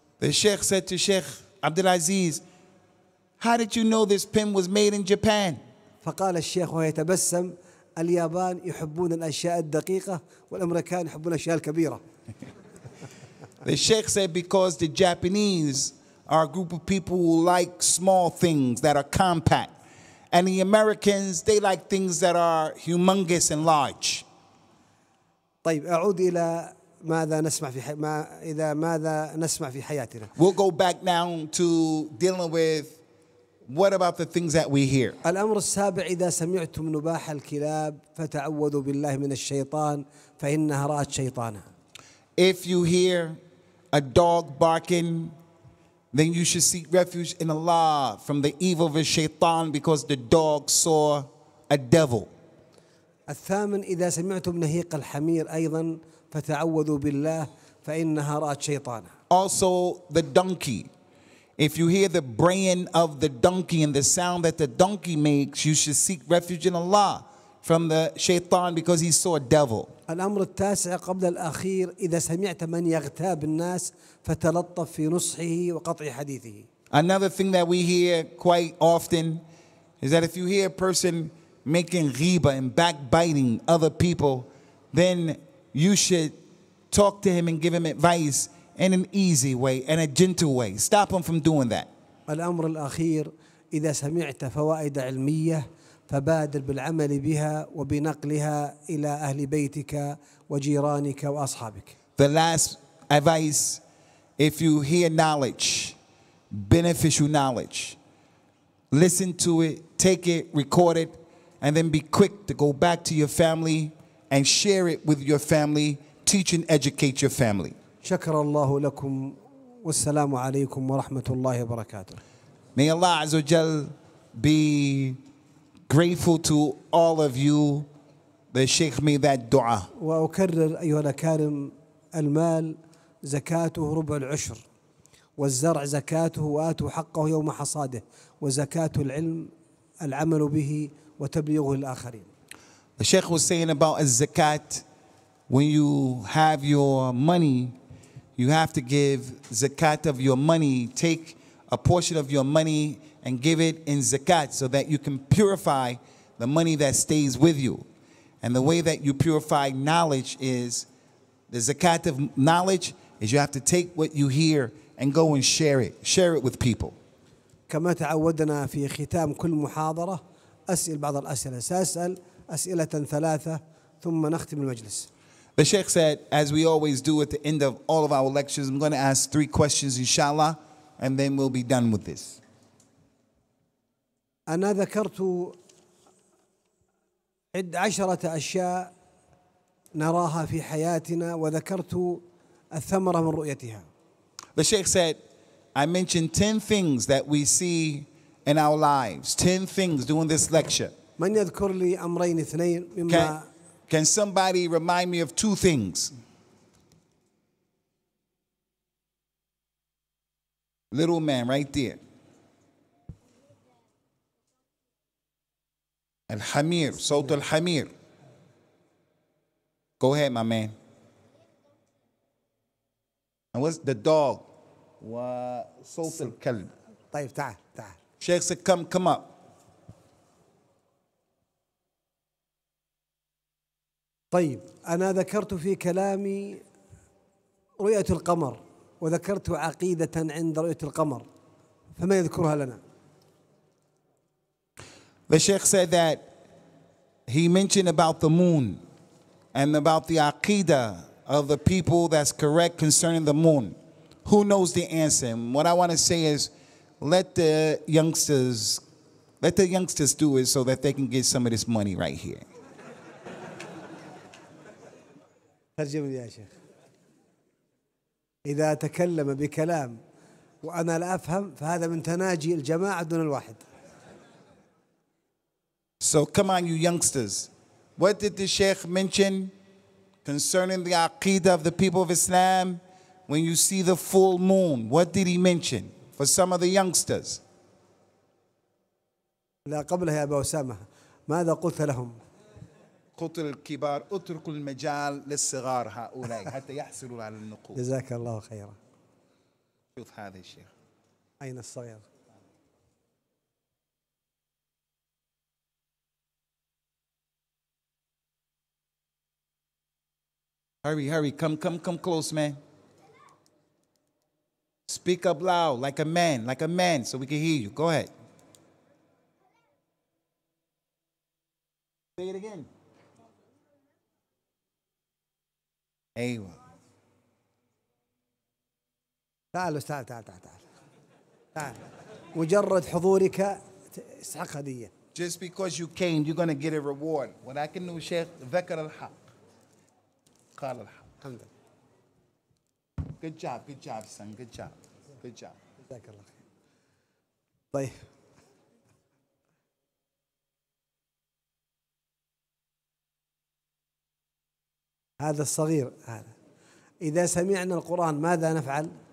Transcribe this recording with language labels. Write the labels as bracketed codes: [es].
[en] The Sheikh said to Sheikh Abdulaziz, how did you know this pen was made in Japan? [ar] فقال الشيخ وهو يتبسم, اليابان يحبون الأشياء الدقيقة والأمريكان يحبون الأشياء الكبيرة. [en] The Sheikh said, because the Japanese are a group of people who like small things that are compact, and the Americans, they like things that are humongous and large. [ar] طيب أعود إلى ماذا نسمع في ما إذا ماذا نسمع في حياتنا. [en] We'll go back now to dealing with what about the things that we hear. [ar] الأمر السابع إذا سمعتم نباح الكلاب فتعوذوا بالله من الشيطان فإنها رأت شيطانا. [en] If you hear a dog barking, then you should seek refuge in Allah from the evil of a shaitan, because the dog saw a devil. [ar] الثامن إذا سمعتم نهيق الحمير أيضا فتعوذوا بالله فإنها رأت شيطانا. [en] Also the donkey. If you hear the braying of the donkey and the sound that the donkey makes, you should seek refuge in Allah from the shaitan, because he saw a devil. [ar] الأمر التاسع قبل الأخير إذا سمعت من يغتاب الناس فتلطف في نصحه وقطع حديثه. [en] Another thing that we hear quite often is that if you hear a person making ghibah and backbiting other people, then you should talk to him and give him advice in an easy way, in a gentle way. Stop him from doing that. [ar] الأمر الأخير إذا سمعت فوائد علمية فبادر بالعمل بها وبنقلها إلى أهل بيتك وجيرانك وأصحابك. [en] The last advice, if you hear knowledge, beneficial knowledge, listen to it, take it, record it, and then be quick to go back to your family and share it with your family, teach and educate your family. [ar] شكر الله لكم والسلام عليكم ورحمة الله وبركاته. [en] May Allah Azza wa Jal be grateful to all of you. The Shaykh made that dua. [ar] وأكرر أيها الأكارم المال زكاته ربع العشر والزرع زكاته وآتوا حقه يوم حصاده وزكاة العلم العمل به وتبليغه للآخرين. [en] The Shaykh was saying about al-zakat, when you have your money, you have to give zakat of your money. Take a portion of your money and give it in zakat so that you can purify the money that stays with you. And the way that you purify knowledge is, the zakat of knowledge is you have to take what you hear and go and share it. Share it with people. [ar] كما تعودنا في ختام كل محاضرة أسئل بعض الأسئلة سأسأل أسئلة ثلاثة ثم نختم المجلس. [en] The Shaykh said, as we always do at the end of all of our lectures, I'm going to ask three questions, inshallah, and then we'll be done with this. [ar] أنا ذكرت عد عشرة أشياء نراها في حياتنا وذكرت الثمرة من رؤيتها. [en] The Shaykh said, I mentioned 10 things that we see in our lives, 10 things during this lecture. [ar] من يذكر لي أمرين اثنين مما [en] Can somebody remind me of two things? Little man, right there. [ar] Al-Hamir, Sawt al-Hamir. [en] Go ahead, my man. And what's the dog? [ar] Sawt al-Kalb. طيب تعال تعال. [en] Sheikh said, come up. [ar] طيب أنا ذكرت في كلامي رؤية القمر وذكرت عقيدة عند رؤية القمر فما يذكرها لنا؟ [en] The Shaykh said that he mentioned about the moon and about the aqidah of the people that's correct concerning the moon. Who knows the answer? And what I want to say is let the youngsters do it so that they can get some of this money right here. [ar] ترجم لي يا شيخ إذا تكلم بكلام وأنا لا أفهم فهذا من تناجي الجماعة دون الواحد. [en] So come on you youngsters, what did the Shaykh mention concerning the aqidah of the people of Islam when you see the full moon? What did he mention for some of the youngsters? [ar] لا قبلها يا أبا أسامة ماذا قلت لهم؟ قتل الكبار اترك المجال للصغار هؤلاء حتى يحصلوا على النقود. جزاك الله خيرا. شوف هذا الشيخ. أين الصغير؟ [en] Hurry, come close, man. Speak up loud, like a man, so we can hear you. Go ahead. Say it again. [ar] ايوه تعال تعال تعال تعال تعال مجرد حضورك تستحق هديه. [en] Just because you came you're going to get a reward. [ar] ولكن الشيخ ذكر الحق قال الحق. الحمد لله. [en] Good job son. Good job. [ar] جزاك الله خير. طيب هذا الصغير هذا إذا سمعنا القرآن ماذا نفعل؟